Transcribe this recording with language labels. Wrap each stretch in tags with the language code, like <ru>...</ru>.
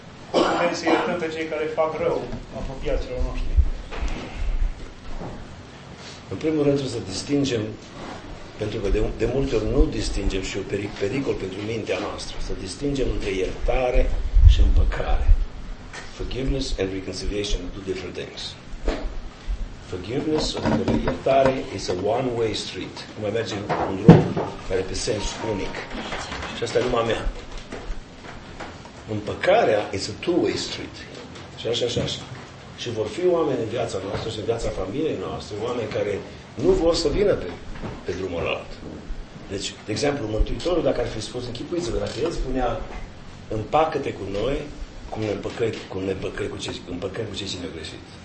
<ro>Cum putem să iertăm pe cei care fac rău apropiaților noștri? În primul rând trebuie să distingem, pentru că de multe ori nu distingem și e un pericol pentru mintea noastră, să distingem între iertare și împăcare.</ro> <en>Forgiveness and reconciliation are two different things. Forgiveness,</en> <ro>adică iertare,</ro> <en>is a one-way street.</en> <ro>Cum merge un drum care e pe sens unic. Și asta e numai mea.</ro> <en>Împăcarea is a two-way street.</en> <ro>Și așa, așa, așa. Și vor fi oameni în viața noastră și în viața familiei noastre, oameni care nu vor să vină pe drumul ăla. Deci, de exemplu, Mântuitorul, dacă ar fi spus, închipuiți-vă, dacă el spunea, împacă-te cu noi, cum ne împăcăm cu cei ce ne-au greșit.</ro>